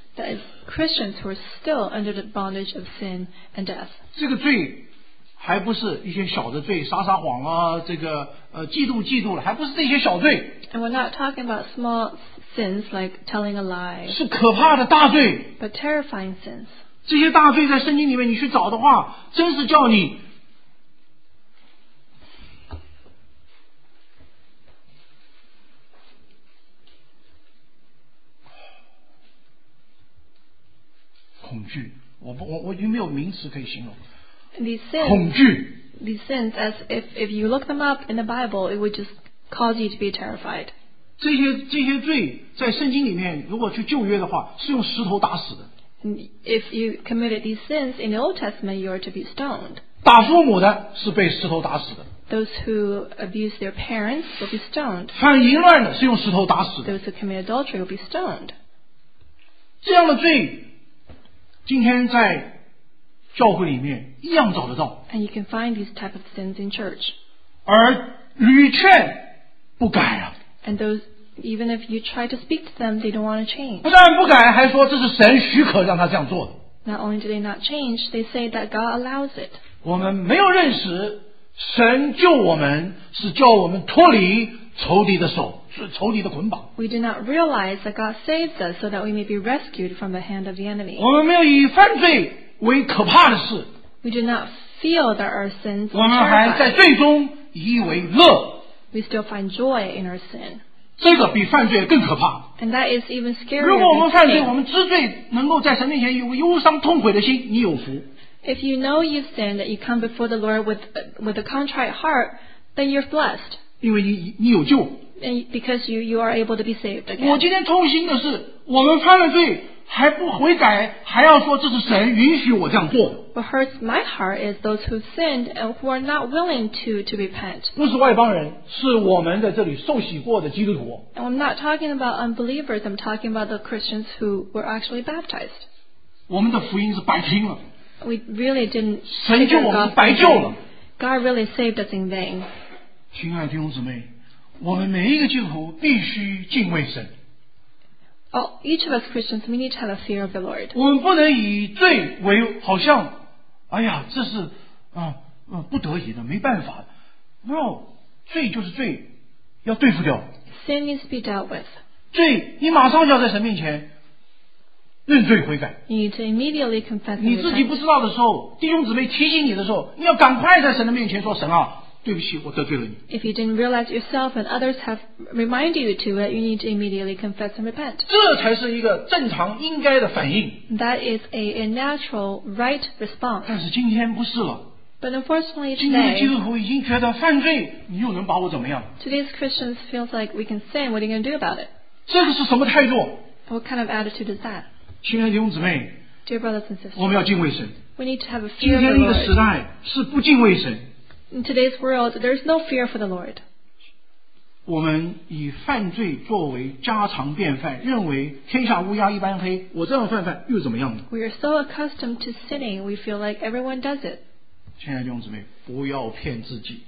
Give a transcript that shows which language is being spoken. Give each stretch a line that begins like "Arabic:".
English: that is Christians who are still under the bondage of sin and death.
Chinese: 这个罪还不是一些小的罪,杀杀谎啊,这个,嫉妒嫉妒了,还不是这些小罪。
English: And we're not talking about small sins like telling a lie.
Chinese: 是可怕的大罪,
English: but terrifying sins.
Chinese: 这些大罪在圣经里面你去找的话, 真是叫你, 恐惧, 我已经没有名词可以形容。
English: These sins, as if you look them up in the Bible, it would just cause you to be terrified.
Chinese: 这些罪在圣经里面, 如果去旧约的话, 是用石头打死的。
English: If you committed these sins in the Old Testament, you are to be stoned.
Chinese: 打父母的是被石头打死的。
English: Those who abuse their parents will be stoned.
Chinese: 犯淫乱的是用石头打死的。
English: Those who commit adultery will be stoned.
Chinese: 这样的罪，今天在教会里面一样找得到。
English: And you can find these type of sins in church.
Chinese: 而屡劝不改啊。
English: And those, even if you try to speak to them, they don't want to change.
Chinese: 不但不改，还说这是神许可让他这样做的。
English: Not only do they not change, they say that God allows it.
Chinese: 我们没有认识神救我们是叫我们脱离仇敌的手，是仇敌的捆绑。
English: We do not realize that God saves us so that we may be rescued from the hand of the enemy.
Chinese: 我们没有以犯罪为可怕的事。
English: We do not feel that our sins are.
Chinese: 我们还在最终以为乐。
English: We still find joy in our sin.
Chinese: 这个比犯罪更可怕。
English: And that is even scarier.
Chinese: 如果我们犯罪，我们知罪，能够在神面前有忧伤痛悔的心，你有福。
English: If you know you've sinned, that you come before the Lord with a contrite heart, then you're blessed.
Chinese: 因为你有救。
English: And because you are able to be saved again.
Chinese: 我今天痛心的是，我们犯了罪还不悔改，还要说这是神允许我这样做。
English: What hurts my heart is those who sinned and who are not willing to repent.
Chinese: 不是外邦人，是我们在这里受洗过的基督徒。
English: And I'm not talking about unbelievers. I'm talking about the Christians who were actually baptized.
Chinese: 我们的福音是白听了。
English: We really didn't.
Chinese: 神救我们白救了。
English: God really saved us in vain.
Chinese: 亲爱的弟兄姊妹，我们每一个基督徒必须敬畏神。
English: Oh, each of us Christians, we need to have a fear of the Lord.
Chinese: 我们不能以罪为好像，哎呀，这是不得已的，没办法。 No, 罪就是罪，要对付掉。
English: Sin needs to be dealt with.
Chinese: 罪，你马上就要在神面前。认罪悔改。
English: You need to immediately confess.
Chinese: 你自己不知道的时候，弟兄姊妹提醒你的时候，你要赶快在神的面前说：“神啊，对不起，我得罪了你。”
English: If you didn't realize yourself and others have reminded you to it, you need to immediately confess and repent.
Chinese: 这才是一个正常应该的反应。
English: That is a natural right response.
Chinese: 但是今天不是了。
English: But unfortunately, today.
Chinese: 今天基督徒已经觉得犯罪，你又能把我怎么样
English: ？Today's Christians feels like we can sin. What are you going to do about it?
Chinese: 这个是什么态度
English: ？What kind of attitude is that?
Chinese: 亲爱的弟兄姊妹
English: Dear brothers and sisters,
Chinese: 我们要敬畏神
English: We need to have a fear
Chinese: 今天的一个时代是不敬畏神
English: In today's world, there's no fear for the Lord
Chinese: 我们以犯罪作为家常便饭认为天下乌鸦一般黑我这样犯犯又怎么样
English: We are so accustomed to sinning we feel like everyone does it
Chinese: 亲爱的弟兄姊妹不要骗自己